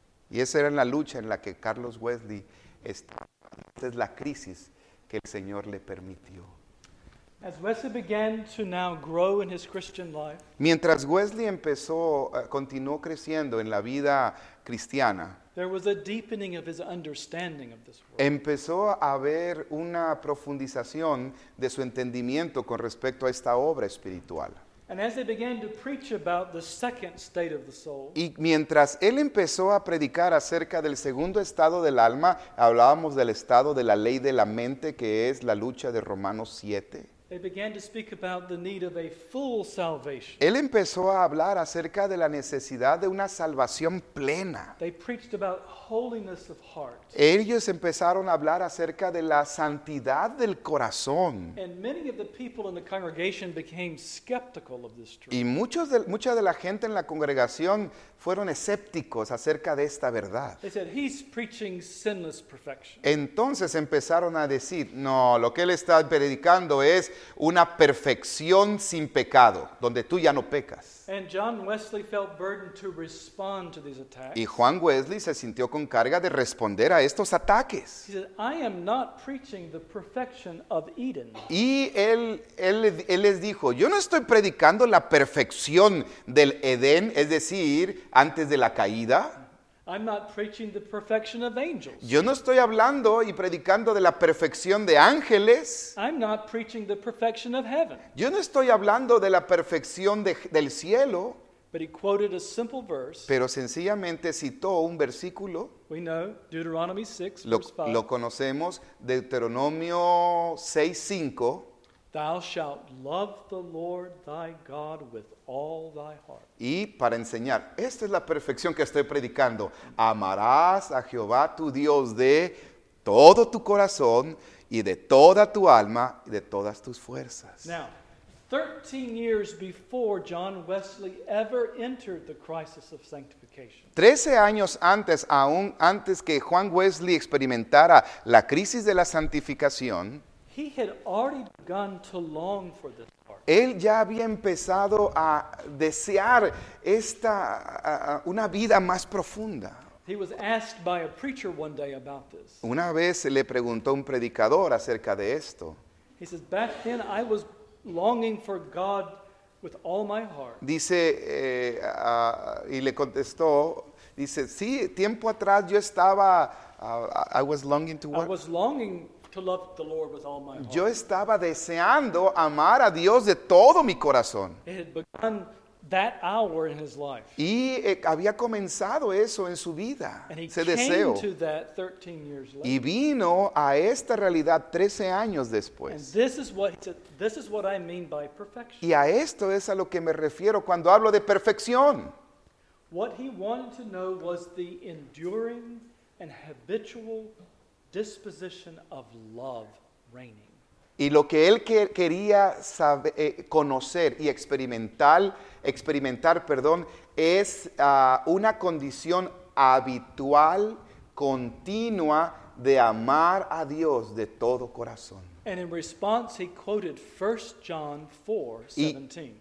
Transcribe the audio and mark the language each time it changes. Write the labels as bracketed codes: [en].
[es] Y esa era la lucha en la que Carlos Wesley estaba. Esta es la crisis que el Señor le permitió. [en] As Wesley began to now grow in his Christian life, [es] mientras Wesley empezó, continuó creciendo en la vida cristiana, [en] there was a deepening of his understanding of this world. [es] Empezó a haber una profundización de su entendimiento con respecto a esta obra espiritual. [en] And as they began to preach about the second state of the soul, [es] y mientras él empezó a predicar acerca del segundo estado del alma, hablábamos del estado de la ley de la mente, que es la lucha de Romanos 7. [en] They began to speak about the need of a full salvation. [es] Él empezó a hablar acerca de la necesidad de una salvación plena. [en] They preached about holiness of heart. [es] Ellos empezaron a hablar acerca de la santidad del corazón. [en] And many of the people in the congregation became skeptical of this truth. [es] Y mucha de la gente en la congregación fueron escépticos acerca de esta verdad. [en] They said, he's preaching sinless perfection. [es] Entonces empezaron a decir, no, lo que él está predicando es una perfección sin pecado, donde tú ya no pecas. [en] And John Wesley felt burdened to respond to these attacks. [es] Y Juan Wesley se sintió con carga de responder a estos ataques. [en] He said, I am not preaching the perfection of Eden. [es] Y él les dijo, yo no estoy predicando la perfección del Edén, es decir, antes de la caída. [en] I'm not preaching the perfection of angels. [es] Yo no estoy hablando y predicando de la perfección de ángeles. [en] I'm not preaching the perfection of heaven. [es] Yo no estoy hablando de la perfección del cielo. [en] But he quoted a simple verse. [es] Pero sencillamente citó un versículo. [en] We know Deuteronomy 6, verse 5. [es] Lo conocemos, Deuteronomio 6, 5. [en] Thou shalt love the Lord thy God with all thy heart. [es] Y para enseñar, esta es la perfección que estoy predicando. Amarás a Jehová tu Dios de todo tu corazón y de toda tu alma y de todas tus fuerzas. [en] Now, 13 years before John Wesley ever entered the crisis of sanctification. [es] 13 años antes, aún antes que Juan Wesley experimentara la crisis de la santificación, [en] he had already begun to long for this part. [es] Él ya había empezado a desear esta una vida más profunda. [en] He was asked by a preacher one day about this. [es] Una vez se le preguntó un predicador acerca de esto. [en] He says, back then I was longing for God with all my heart. [es] Dice y le contestó, dice, sí, tiempo atrás yo estaba [en] I was longing to what? I was longing to love the Lord with all my heart. [es] Yo estaba deseando amar a Dios de todo mi corazón. [en] It had begun that hour in his life. [es] Y había comenzado eso en su vida. [en] And he [es] ese [en] came [es] deseo. [en] To that 13 years later. [es] Y vino a esta realidad 13 años después. [en] And this is what I mean by perfection. [es] Y a esto es a lo que me refiero cuando hablo de perfección. [en] What he wanted to know was the enduring and habitual disposition of love reigning. [es] Y lo que él quería saber, conocer y experimentar, perdón, es una condición habitual, continua de amar a Dios de todo corazón. [en] And in response, he quoted 1 John 4:17.